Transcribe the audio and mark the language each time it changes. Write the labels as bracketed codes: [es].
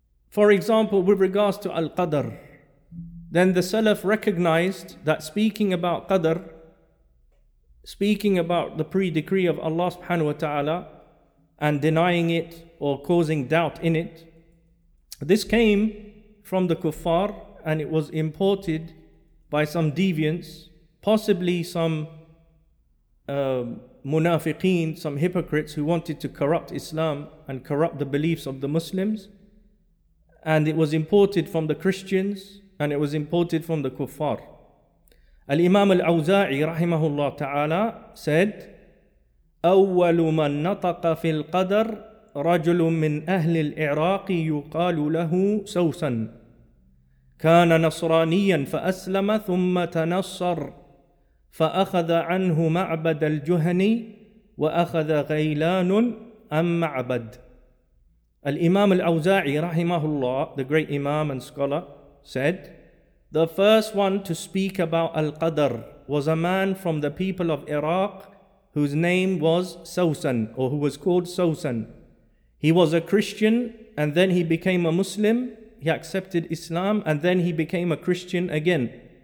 [en] For example, with regards to al-qadr, then the Salaf recognized that speaking about qadr, speaking about the pre-decree of Allah subhanahu wa ta'ala and denying it or causing doubt in it, this came from the kuffar and it was imported by some deviants, possibly some munafiqeen, some hypocrites who wanted to corrupt Islam and corrupt the beliefs of the Muslims. And it was imported from the Christians and it was imported from the kuffar. Al-Imam Al-Awza'i rahimahullah ta'ala said, [ar] أول من نطق في القدر رجل من أهل العراق يقال له سوسن كان نصرانيا فأسلم ثم تنصر فأخذ عنه معبد الجهني وأخذ غيلان أم معبد. الإمام الأوزاعي رحمه الله, [en] the great imam and scholar, said, the first one to speak about Al-Qadr was a man from the people of Iraq whose name was Sawsan, or who was called Sawsan. He was a Christian and then he became a Muslim. He accepted Islam and then he became a Christian again.